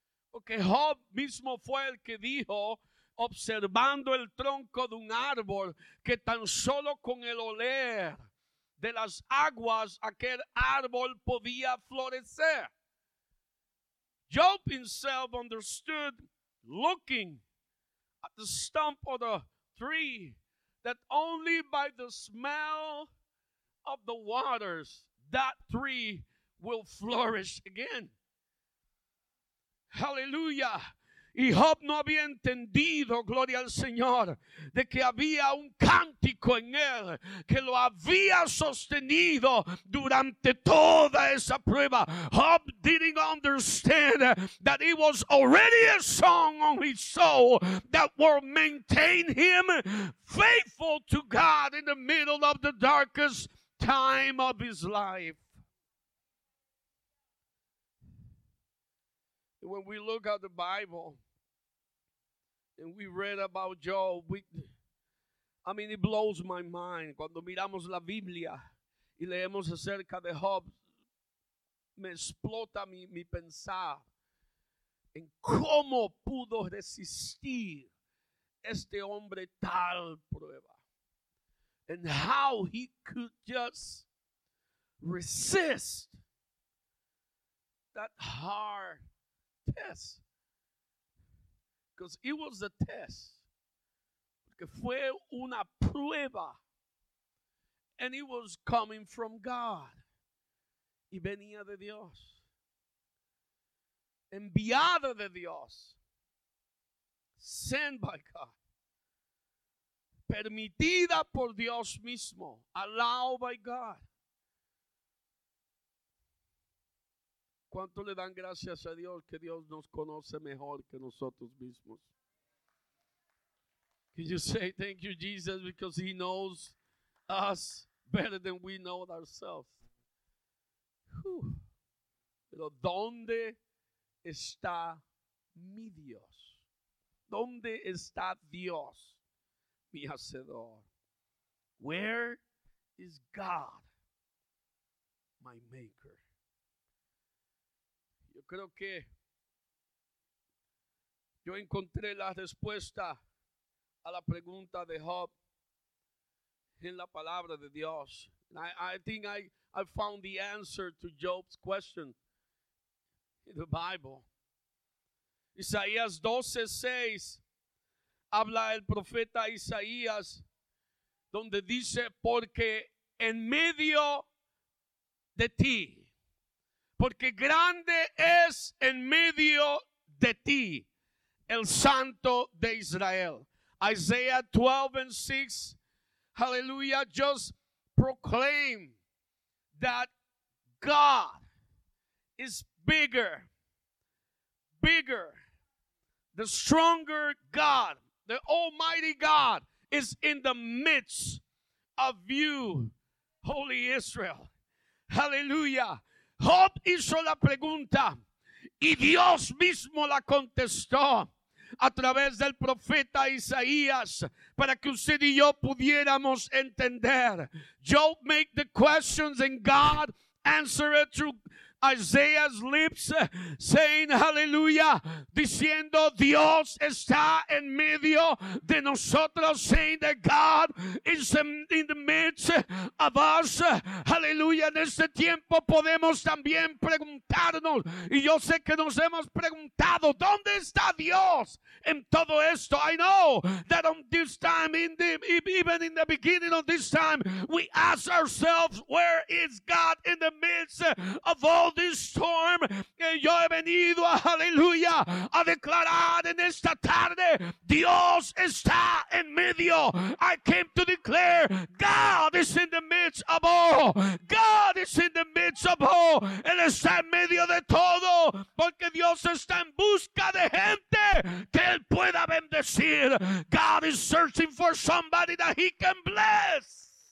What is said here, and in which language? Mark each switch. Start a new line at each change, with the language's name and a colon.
Spanish: Porque Job mismo fue el que dijo, observando el tronco de un árbol, que tan solo con el oler de las aguas aquel árbol podía florecer.
English: Job himself understood, looking at the stump of the tree, that only by the smell of the waters, that tree will flourish again. Hallelujah.
Spanish: Y Job no había entendido, gloria al Señor, de que había un cántico en él que lo había sostenido durante toda esa prueba.
English: Job didn't understand that it was already a song on his soul that would maintain him faithful to God in the middle of the darkest time of his life. When we look at the Bible and we read about Job, it blows my mind.
Spanish: Cuando miramos la Biblia y leemos acerca de Job, me explota mi pensar en cómo pudo resistir este hombre tal prueba.
English: And how he could just resist that hard test. Because it was a test.
Spanish: Porque fue una prueba.
English: And it was coming from God.
Spanish: Y venía de Dios. Enviada de Dios.
English: Sent by God.
Spanish: Permitida por Dios mismo.
English: Allowed by God.
Spanish: ¿Cuánto le dan gracias a Dios que Dios nos conoce mejor que nosotros mismos?
English: Can you say thank you, Jesus, because he knows us better than we know ourselves?
Spanish: Whew. Pero ¿dónde está mi Dios? ¿Dónde está Dios, mi Hacedor?
English: Where is God, my Maker?
Spanish: Creo que yo encontré la respuesta a la pregunta de Job en la palabra de Dios.
English: I think I found the answer to Job's question in the Bible.
Spanish: Isaías 12:6 habla el profeta Isaías, donde dice, porque en medio de ti, porque grande es en medio de ti el Santo de Israel.
English: Isaiah 12:6, hallelujah, just proclaim that God is bigger, bigger, the stronger God, the Almighty God is in the midst of you, Holy Israel.
Spanish: Aleluya. Job hizo la pregunta y Dios mismo la contestó a través del profeta Isaías para que usted y yo pudiéramos entender.
English: Job made the questions and God answered it through Isaiah's lips, saying, hallelujah,
Spanish: diciendo, Dios está en medio de nosotros,
English: saying that God is in the midst of us, hallelujah.
Spanish: En este tiempo podemos también preguntarnos, y yo sé que nos hemos preguntado, ¿dónde está Dios en todo esto?
English: I know that on this time, even in the beginning of this time, we ask ourselves, where is God in the midst of all this storm?
Spanish: Yo he venido, aleluya, a declarar en esta tarde, Dios está en medio.
English: I came to declare, God is in the midst of all. God is in the midst of all.
Spanish: Él está en medio de todo, porque Dios está en busca de gente que Él pueda bendecir.
English: God is searching for somebody that He can bless.